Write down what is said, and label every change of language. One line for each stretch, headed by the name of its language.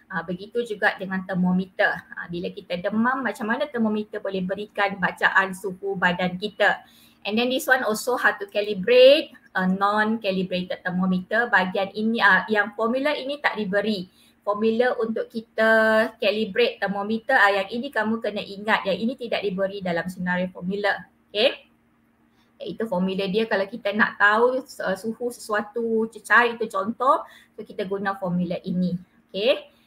Malay: Begitu juga dengan termometer. Bila kita demam, macam mana termometer boleh berikan bacaan suhu badan kita.
English: And then this one also how to calibrate a non-calibrated thermometer.
Malay: Bahagian ini, yang formula ini tak diberi. Formula untuk kita calibrate thermometer, yang ini kamu kena ingat. Yang ini tidak diberi dalam senario formula. Okay. Itu formula dia. Kalau kita nak tahu suhu sesuatu cecair itu contoh, so kita guna formula ini. Okay.